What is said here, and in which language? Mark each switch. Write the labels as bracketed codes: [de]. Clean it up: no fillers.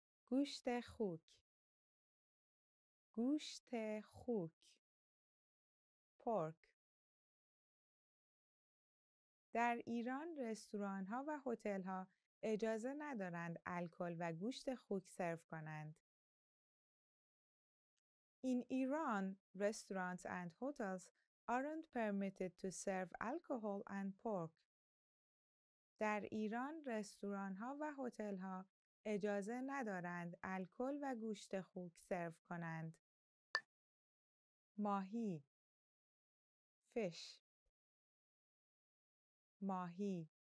[fa] گوشت خوک گوشت خوک [en] pork [fa] در ایران رستوران ها و هتل ها اجازه ندارند الکل و گوشت خوک سرو کنند [en] In Iran restaurants and hotels aren't permitted to serve alcohol and pork [fa] در ایران رستوران ها و هتل ها اجازه ندارند الکل و گوشت خوک سرو کنند. ماهی [en] fish [fa] ماهی